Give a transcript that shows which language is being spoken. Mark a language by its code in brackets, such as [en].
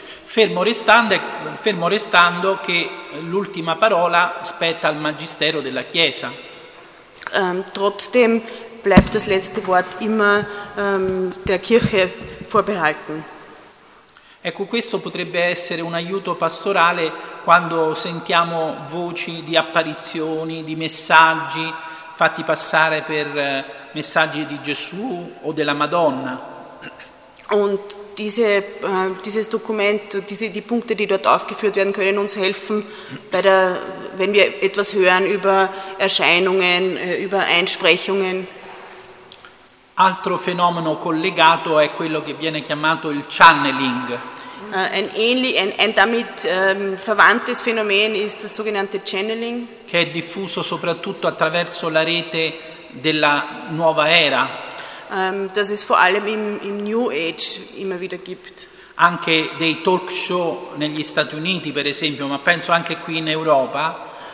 [it] Fermo restando che l'ultima parola spetta al Magistero della Chiesa. [de] Trotzdem bleibt das letzte Wort immer der Kirche vorbehalten. [it] Ecco, questo potrebbe essere un aiuto pastorale quando sentiamo voci di apparizioni, di messaggi fatti passare per messaggi di Gesù o della Madonna. [de] Und dieses Dokument, die Punkte, die dort aufgeführt werden, können uns helfen, wenn wir etwas hören über Erscheinungen, über Einsprechungen. [it] Altro fenomeno collegato è quello che viene chiamato il channeling. [de] Ein damit verwandtes Phänomen ist das sogenannte Channeling, [it] che è diffuso soprattutto attraverso la rete della nuova era. [de] Das es vor allem im New Age immer wieder gibt. [it] Anche dei talk show negli Stati Uniti, per esempio, ma penso anche qui in Europa.